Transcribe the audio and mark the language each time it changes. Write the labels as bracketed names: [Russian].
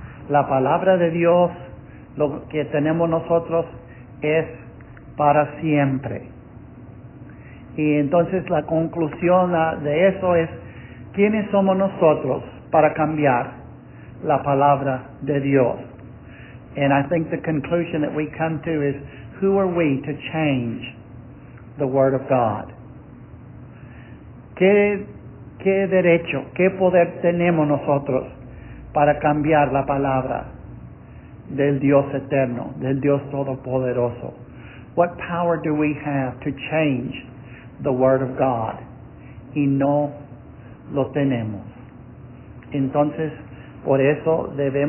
[Spanish] La palabra de Dios, lo que tenemos nosotros, es para siempre. Y entonces la conclusión de eso es, ¿quiénes somos nosotros para cambiar la palabra de Dios? [English] And I think the conclusion that we come to is, who are we to change the Word of God? [Spanish] ¿Qué derecho, qué poder tenemos nosotros para cambiar la palabra del Dios eterno, del Dios todopoderoso? [English] What power do we have to change the Word of God? [Spanish] Y no lo tenemos. Entonces, por eso debemos